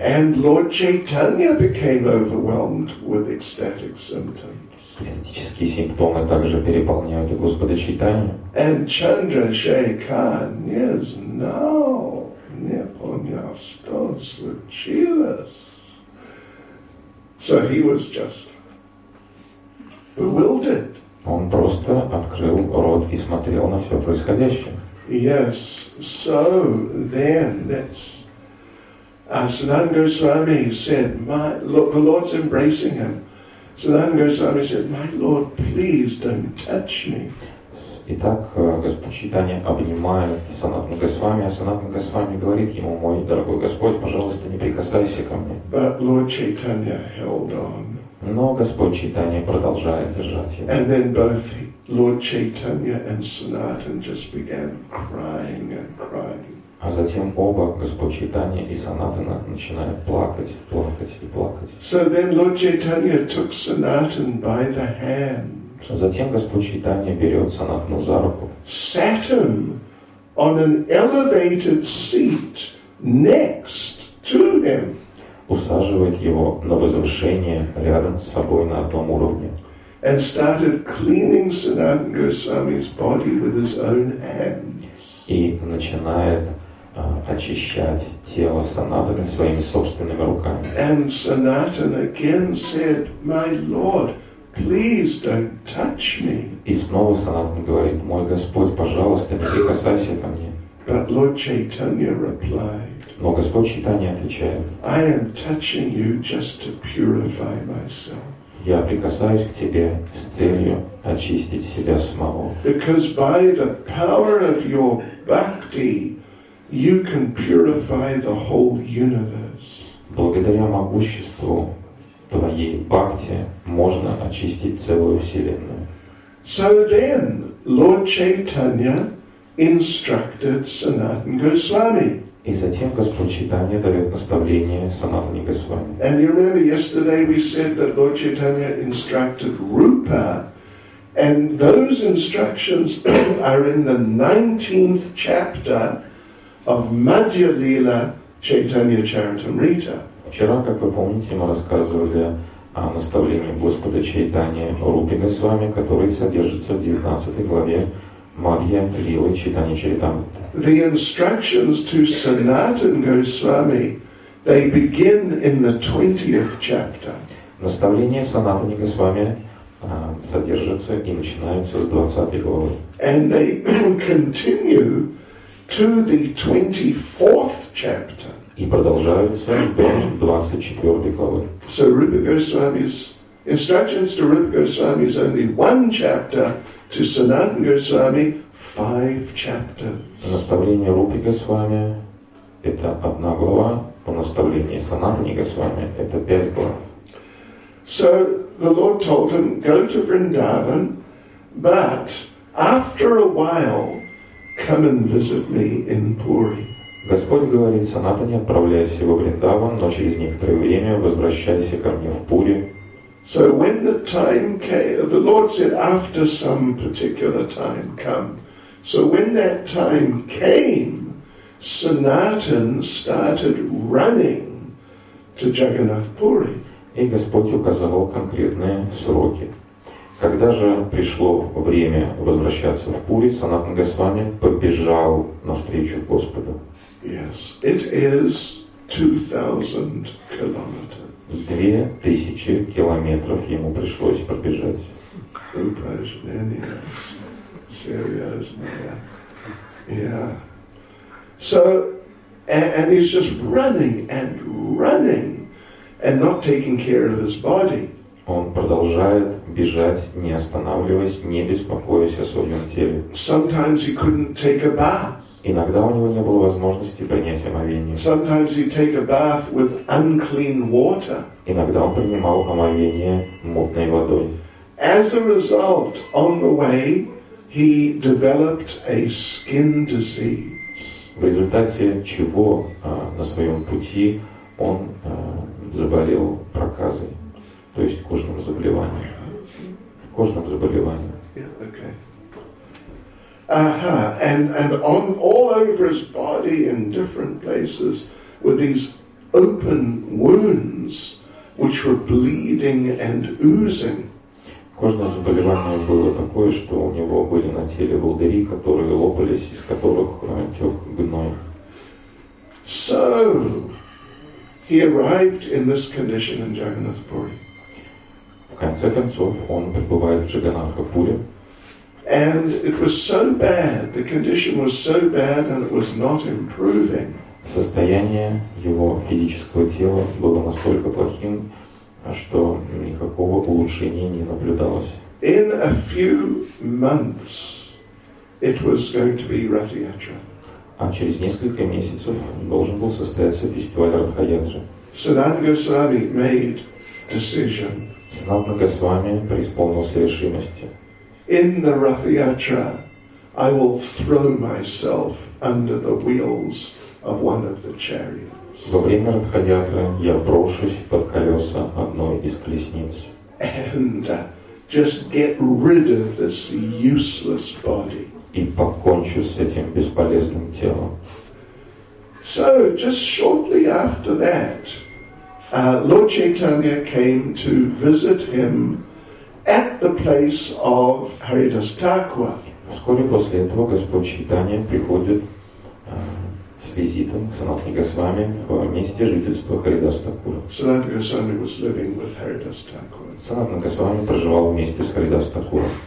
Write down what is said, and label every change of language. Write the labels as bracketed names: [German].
[English] And Lord Chaitanya became overwhelmed with ecstatic symptoms. [Russian] Экстатические симптомы также переполняют и Господа Чайтанью. [English] And Chandrashekhar is now neponyastos with chilas. So he was just bewildered. [Russian] Он просто открыл рот и смотрел на все происходящее. [English] Yes, so then that's Sanatan Goswami said, "My look, the Lord's embracing him." Sanatan Goswami said, "My Lord, please don't touch me." [Russian] Итак, Господь Чайтанья обнимает Санатана Госвами, а Санатана Госвами говорит ему: "Мой дорогой Господь, пожалуйста, не прикасайся ко мне." [English] But Lord Chaitanya held on. [Russian] Но Господь Чайтанья продолжает держать его. [English] And then both Lord Chaitanya and Sanatan just began crying and crying. [Russian] А затем оба, Господь Чайтанья и Санатана, начинают плакать, плакать и плакать. [English] So then Lord Chaitanya took Sanatan by the hand. [Russian] Затем Господь Чайтанья берет Санатану за руку. [English] Sat him on an elevated seat next to him. [Russian] Усаживает его на возвышение рядом с собой на одном уровне. [English] And started cleaning Sanatan Goswami's body with his own hands. [Russian] И начинает очищать тело Санатаны своими собственными руками. [English] And Sanatan again said, "My Lord, please don't touch me." [Russian] И снова Санатан говорит: "Мой Господь, пожалуйста, не прикасайся ко мне." [English] But Lord Chaitanya replied. [Russian] Но Господь Чайтанья отвечает: [English] "I am touching you just to purify myself." [Russian] Я прикасаюсь к тебе с целью очистить себя самого. [English] Because by the power of your bhakti, you can purify the whole universe. [Russian] Благодаря могуществу твоей бхакти можно очистить целую вселенную. [English] So then, Lord Chaitanya instructed Sanatan Goswami. [Russian] И затем Господь Чайтанья дает наставление Санатане Госвами. [English] And you remember yesterday we said that Lord Chaitanya instructed Rupa, and those instructions are in the 19th chapter of Madhya Lila Chaitanya Charitamrita. [Russian] Вчера, как вы помните, мы рассказывали о наставлении Господа Чайтанья Рупе Госвами, который содержится в 19 главе Мадья Лилы Чайтанья Чаритамриты. [English] The instructions to Sanatan Goswami, they begin in the 20th chapter. [Russian] Наставление Санатане Госвами содержится и начинается с 20 главы. [English] And they continue to the 24th chapter. [Russian] И продолжаются до 24 главы. [English] So Rupa Goswami's instructions to Rupa Goswami is only one chapter, to Sanatan Goswami five chapters. [Russian] Наставление Рупы Госвами это одна глава, а наставление Санатаны Госвами это пять глав. [English] So the Lord told him, "Go to Vrindavan, but after a while, come and visit me in Puri." [Russian] Господь говорит Санатане: "Отправляйся во Вриндаван, но через некоторое время возвращайся ко мне в Пури." [English] So when the time came, the Lord said, after some particular time come. So when that time came, Sanatan started running to Jagannath Puri. [Russian] И Господь указывал конкретные сроки. Когда же пришло время возвращаться в Пури, Санатан Госвами побежал навстречу Господу. [English] Yes, it is 2,000 kilometers. [Russian] 2000 километров ему пришлось пробежать. Упражнение. Серьезно. [English] Yeah. So, and he's just running and running and not taking care of his body. [Russian] Он продолжает бежать, не останавливаясь, не беспокоясь о своем теле. [English] Sometimes he couldn't take a bath. [Russian] Иногда у него не было возможности принять омовение. [English] Sometimes he'd take a bath with unclean water. [Russian] Иногда он принимал омовение мутной водой. [English] As a result, on the way, he developed a skin disease. [Russian] В результате чего на своем пути он заболел проказой, то есть кожным заболеванием. Кожным заболеванием. [English] Yeah, okay. And on all over his body in different places were these open wounds which were bleeding and oozing. [Russian] Каждое заболевание было такое, что у него были на теле волдыри, которые лопались, из которых тек гной. [English] So he arrived in this condition in Jagannath Puri. [Russian] В конце концов он прибывает в Джаганнатхапуре. [English] And it was so bad, the condition was so bad, and it was not improving. [Russian] Состояние его физического тела было настолько плохим, что никакого улучшения не наблюдалось. [English] In a few months, it was going to be Ратхаятра. [Russian] А через несколько месяцев должен был состояться фестиваль Ратхаятры. [English] Санатан Госвами made decision. [Russian] Санатан Госвами преисполнился решимости. [English] In the Ratha-yatra, I will throw myself under the wheels of one of the chariots. [Russian] Во время Ратха-yatra я брошусь под колеса одной из колесниц. [English] And just get rid of this useless body. [Russian] И покончу с этим бесполезным телом. [English] So, just shortly after that, Lord Chaitanya came to visit him at the place of Haridas Thakura. [Russian] Вскоре после этого Господь Чайтанья приходит с визитом к Санатана Госвами в месте жительства Харидас Такура. [English] Санатана Госвами was living with Haridas Thakura. [Russian] Санатана Госвами проживал вместе с Харидас Такура.